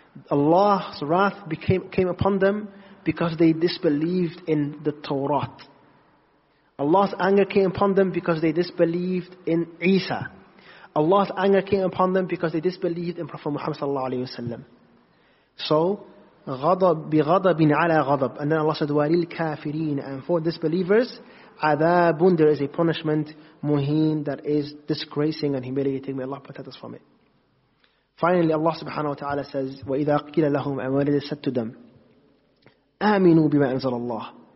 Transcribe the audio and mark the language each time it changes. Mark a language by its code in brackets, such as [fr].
[en] Allah's wrath came upon them because they disbelieved in the Torah. Allah's anger came upon them because they disbelieved in Isa. Allah's anger came upon them because they disbelieved in Prophet Muhammad sallallahu alayhi wa sallam. [ar] So, غَضَب بِغَضَبٍ عَلَى غَضَب. [en] And then Allah said, وَلِلْكَافِرِينَ. And for disbelievers, عَذَابٌ. There is a punishment, مُهِينَ, that is disgracing and humiliating. May Allah protect us from it. Finally, Allah subhanahu wa ta'ala says, وَإِذَا قِيلَ لَهُمْ. And when it is said to them, آمِنُوا بِمَا أَنزَلَ اللَّهُ.